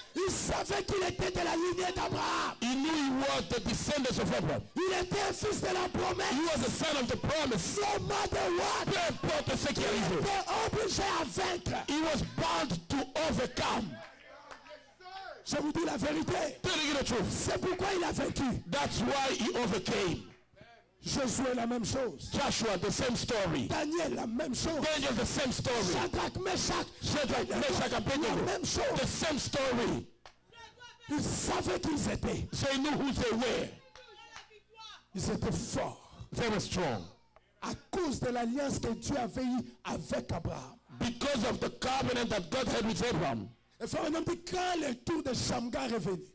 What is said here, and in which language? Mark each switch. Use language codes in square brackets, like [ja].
[fr] Il savait qu'il était de la lignée d'Abraham. [en] He knew he was the descendants of Abraham. [fr] Il était un fils de la promesse. [en] He was a son of the promise. No matter what. [fr] Peu importe ce qu'il arrivait. Il était obligé à vaincre. [en] He was bound to overcome. [fr] Je vous dis la vérité. [en] Telling you the truth. [fr] C'est pourquoi il a vaincu. [en] That's why he overcame. [fr] Josué la même chose. [en] Joshua the same story. [fr] Daniel la même chose. [en] Daniel the same story. Shadrach Meshach. Shadrach Meshach Abednego. [fr] La même chose. [en] The same story. [fr] Ils savaient qui ils étaient. [en] So they knew who they were. [fr] Ils étaient forts. [en] They were strong. [fr] À cause de l'alliance que Dieu avait eue avec Abraham. [en] Because of the covenant that God had with Abraham. [fr] Et frère, on a dit quand le tour de Shamgar est venu.